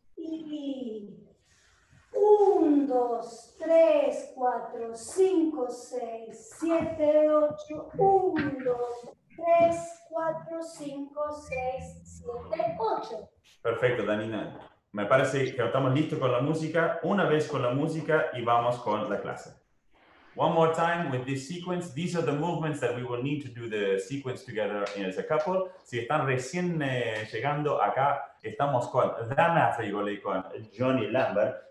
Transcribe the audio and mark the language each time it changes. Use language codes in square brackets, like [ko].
[es] Y un, dos, tres, cuatro, cinco, seis, siete, ocho. Un, dos, tres, cuatro, cinco, seis, siete, ocho. Perfecto, Danina. Me parece que estamos listos con la música. Una vez con la música y vamos con la clase. [en] One more time with this sequence. These are the movements that we will need to do the sequence together as a couple. [es] Si están recién llegando acá, estamos con Dana Frigoli y con Johnny Lambert.